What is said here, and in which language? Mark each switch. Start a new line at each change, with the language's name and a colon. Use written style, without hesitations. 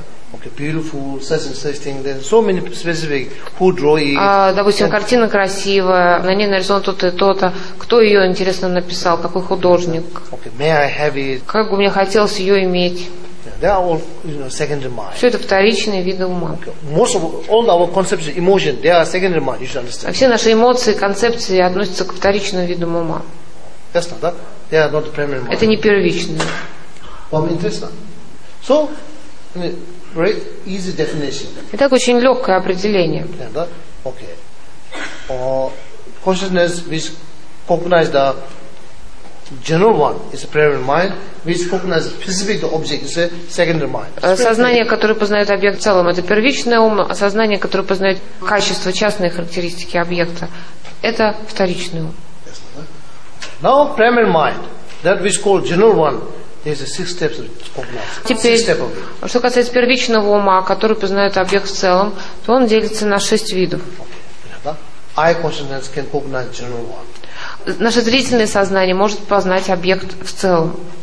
English: Okay, beautiful, such and such thing. Then so many specific. Who draw it?
Russian: Допустим, картина красивая. На ней нарисован тот и тот. Кто ее интересно написал? Какой художник?
English: Okay, may I have it?
Russian: Как бы мне хотелось ее иметь?
English: They are all, you know, secondary mind.
Russian: Все это вторичные виды ума.
English: Okay. Most of all our concepts, emotion, they are secondary mind. You should understand.
Russian: А все наши эмоции, концепции относятся к вторичным видам ума.
English: That's not that. They are not the primary mind.
Russian: Это не первичные. Вам интересно?
English: So. Very easy definition.
Russian: Итак, очень легкое определение.
English: Yeah, that? Okay. Consciousness which cognizes the general one is a primary mind, which cognizes specific object is a secondary mind.
Russian: Сознание, которое познает объект в целом, это первичное ум, а сознание, которое познает качество, частные характеристики объекта, это вторичное ум.
English: Yes, now primary mind, that which called general one. There's six steps of
Russian: Теперь,
English: six step of it.
Russian: Что касается первичного ума, который познает объект в целом, то он делится на шесть видов.
English: Okay. Eye consciousness can cognize general one.
Russian: Наше зрительное сознание может познать объект в целом.